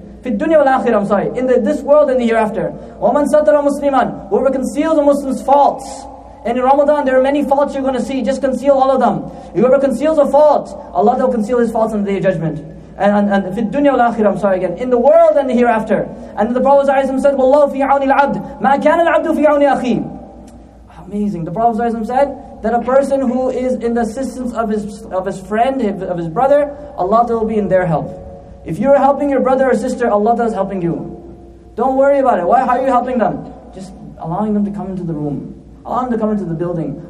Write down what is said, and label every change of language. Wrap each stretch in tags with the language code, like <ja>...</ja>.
<ar>Fi dunya wal akhirah,</ar> <en>I'm sorry, in this world and the hereafter.</en> <ar>وَمَنْ سَتَرَ مُسْلِمًا</ar> <en>Whoever conceals a Muslim's faults. And in Ramadan, there are many faults you're going to see. Just conceal all of them. Whoever conceals a fault, Allah will conceal his faults on the day of judgment. And</en> <ar>fi dunya wal akhirah,</ar> <en>I'm sorry again. In the world and the hereafter. And the Prophet said,</en> <ar>وَاللَّهُ فِي عَوْنِ الْعَبْدِ مَا كَانَ الْعَبْدُ فِي عَوْنِ أَخِيهِ</ar> <en>Amazing. The Prophet said that a person who is in the assistance of his friend, of his brother, Allah will be in their help. If you're helping your brother or sister, Allah is helping you. Don't worry about it. Why? How are you helping them? Just allowing them to come into the room. Allowing them to come into the building.</en>